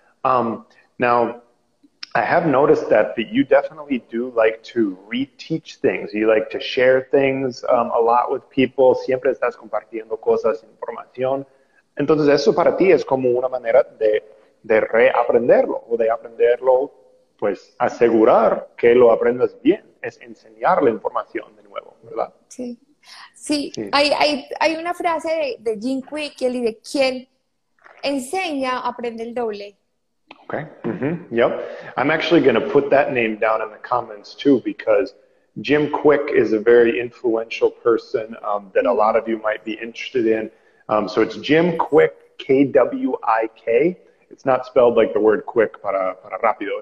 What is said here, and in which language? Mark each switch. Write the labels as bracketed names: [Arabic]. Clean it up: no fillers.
[English] Now, I have noticed that you definitely do like to reteach things. You like to share things a lot with people. [Spanish] Siempre estás compartiendo cosas, información. Entonces, eso para ti es como una manera de reaprenderlo o de aprenderlo, pues, asegurar que lo aprendas bien. Es enseñar la información de nuevo, ¿verdad? Sí. Hay una frase de Jim Quick que él dice, quien enseña, aprende el doble. [English] Okay. Yep. I'm actually going to put that name down in the comments too, because Jim Quick is a very influential person that a lot of you might be interested in. So it's Jim Quick, K-W-I-K. It's not spelled like the word quick [Spanish] para rápido.